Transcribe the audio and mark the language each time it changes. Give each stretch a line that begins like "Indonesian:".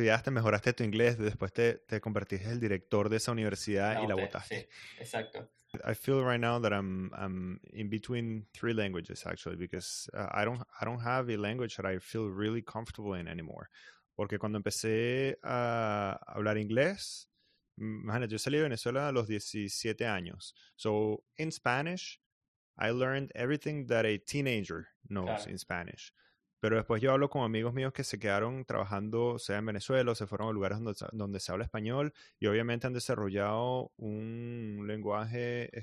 Spanish: Mejoraste tu inglés, después te convertiste en el director de esa universidad y la Bauté, botaste. sí, exacto.
English: I feel right now that I'm in between three languages actually because I don't have a language that I feel really comfortable in anymore.
Spanish: Porque cuando empecé a hablar inglés, imagínate, yo salí de Venezuela a los 17 años.
English: So in Spanish, I learned everything that a teenager knows in Spanish.
Spanish: Pero después yo hablo con amigos míos que se quedaron trabajando, sea en Venezuela, o se fueron a lugares donde se habla español y obviamente han desarrollado un lenguaje